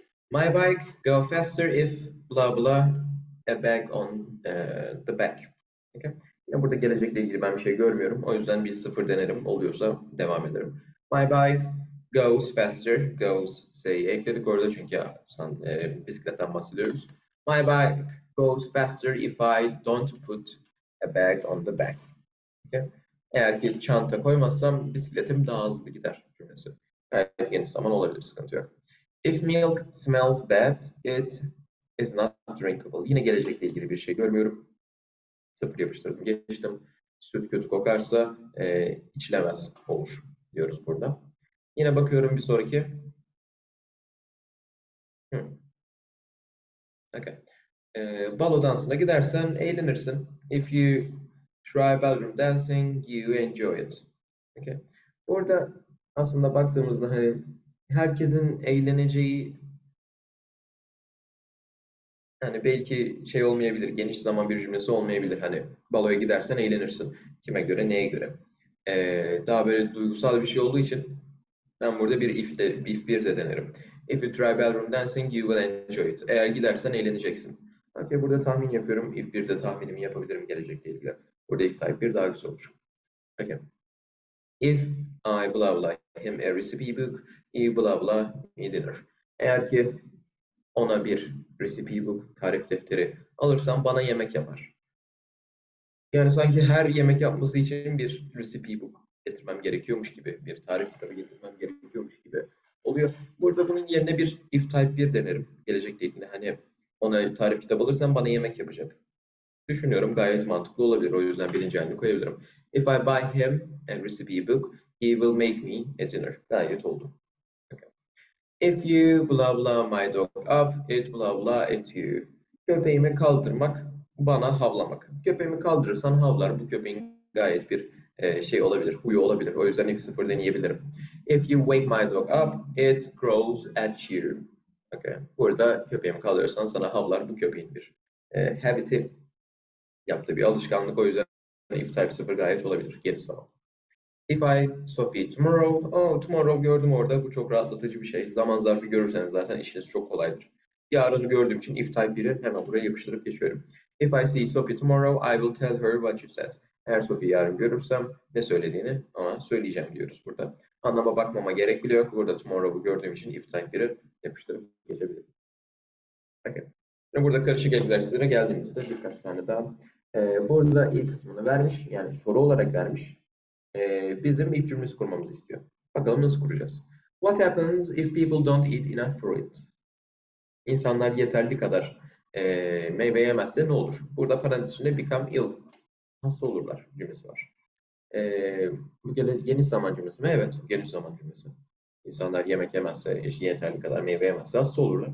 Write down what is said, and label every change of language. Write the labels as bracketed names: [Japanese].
[English] My bike go faster if blah blah a bag on the back. Okay. [Turkish] Ya burada gelecekle ilgili ben bir şey görmüyorum. O yüzden bir sıfır denerim. Oluyorsa devam ederim. [English] My bike goes faster. [Turkish] Goes say'i ekledik orada çünkü ya, bisikletten bahsediyoruz. [English] My bike goes faster if I don't put a bag on the back. Okay. [Turkish] Eğer ki çanta koymazsam bisikletim daha hızlı gider cümlesi. Gayet yeni zaman olabilir, sıkıntı yok. [English] If milk smells bad, it is not drinkable. [Turkish] Yine gelecekle ilgili bir şey görmüyorum. Sıfır yapıştırdım, geçtim. Süt kötü kokarsa içilemez olur diyoruz burada. Yine bakıyorum bir sonraki. Okay. Balo dansına gidersen eğlenirsin. [English] If you try ballroom dancing, you enjoy it. Okay. [Turkish] Burada aslında baktığımızda hani herkesin eğleneceği, hani belki şey olmayabilir, geniş zaman bir cümlesi olmayabilir. Hani baloya gidersen eğlenirsin. Kime göre, neye göre? Daha böyle duygusal bir şey olduğu için ben burada if bir de denerim. [English] If you try ballroom dancing, you will enjoy it. [Turkish] Eğer gidersen eğleneceksin. Okay, burada tahmin yapıyorum. If bir de tahminimi yapabilirim gelecekle ilgili. Burada if type bir daha güzel olur. [English] Okay. If I blah blah him a recipe book, he blah blah me dinner. [Turkish] Eğer ki ona bir recipe book, tarif defteri alırsam bana yemek yapar. Yani sanki her yemek yapması için bir recipe book getirmem gerekiyormuş gibi, bir tarif kitabı getirmem gerekiyormuş gibi oluyor. Burada bunun yerine bir if type 1 denerim. Gelecek değil, hani ona tarif kitabı alırsam bana yemek yapacak. Düşünüyorum gayet mantıklı olabilir. O yüzden birinci halini koyabilirim. [English] If I buy him a recipe book, he will make me a dinner. [Turkish] Gayet oldu. [English] If you blah blah my dog up, it blah blah at you. [Turkish] Köpeğimi kaldırmak, bana havlamak. Köpeğimi kaldırırsan havlar. Bu köpeğin gayet bir şey olabilir, huyu olabilir. O yüzden if sıfır deneyebilirim. [English] If you wake my dog up, it growls at you. Okay. [Turkish] Burada köpeğimi kaldırırsan sana havlar. Bu köpeğin bir habiti, yaptığı bir alışkanlık. O yüzden if type sıfır gayet olabilir. Geri zaman. [English] If I Sophie tomorrow, oh tomorrow [Turkish] gördüm orada. Bu çok rahatlatıcı bir şey. Zaman zarfı görürseniz zaten işiniz çok kolaydır. Yarını gördüğüm için if type 1'i hemen buraya yapıştırıp geçiyorum. [English] If I see Sophie tomorrow, I will tell her what you said. [Turkish] Eğer Sophie'yi yarın görürsem ne söylediğini ona söyleyeceğim diyoruz burada. Anlama bakmama gerek bile yok. Burada tomorrow'u gördüğüm için if type 1'i yapıştırıp geçebilirim. Okay. Burada karışık egzersizlere geldiğimizde birkaç tane daha. Burada ilk kısmını vermiş, yani soru olarak vermiş. Bizim if cümlesi kurmamızı istiyor. Bakalım nasıl kuracağız. [English] What happens if people don't eat enough fruit? [Turkish] İnsanlar yeterli kadar meyve yemezse ne olur? Burada parantez içinde become ill. Hasta olurlar cümlesi var. Bu geniş zaman cümlesi mi? Evet, geniş zaman cümlesi. İnsanlar yemek yemezse, yeterli kadar meyve yemezse hasta olurlar.